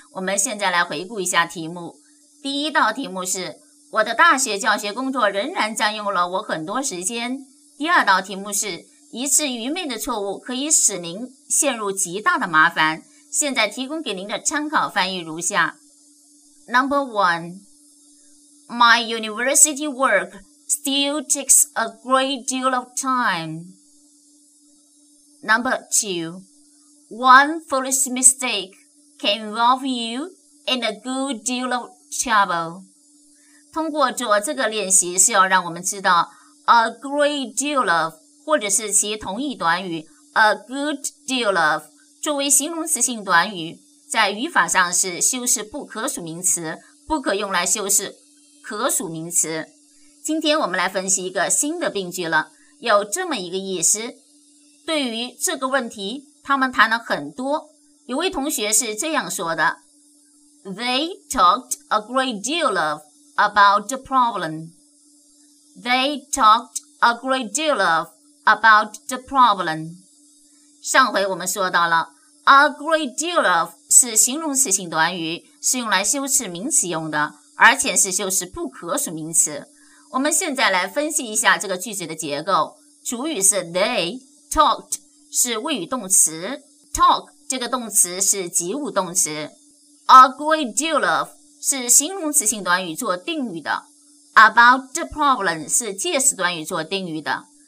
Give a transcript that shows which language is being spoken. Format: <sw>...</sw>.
<zh>我们现在来回顾一下题目。第一道题目是，我的大学教学工作仍然占用了我很多时间。第二道题目是，一次愚昧的错误可以使您陷入极大的麻烦。现在提供给您的参考翻译如下。</zh> <en>Number one, my university work still takes a great deal of time. Number two, one foolish mistake can involve you in a good deal of trouble.</en> <zh>通过做这个练习是要让我们知道 a great deal of, 或者是其同义短语 a good deal of,作为形容词性短语，在语法上是修饰不可数名词，不可用来修饰可数名词。今天我们来分析一个新的病句了，有这么一个意思。对于这个问题，他们谈了很多。有位同学是这样说的</zh> <en>：They talked a great deal of about the problem. They talked a great deal of about the problem.</en> <zh>上回我们说到了 a great deal of 是形容词性短语，是用来修饰名词用的，而且是修饰不可数名词。我们现在来分析一下这个句子的结构，主语是 they, talked 是谓语动词， talk 这个动词是及物动词， a great deal of 是形容词性短语做定语的， about the problem 是介词短语做定语的。</zh>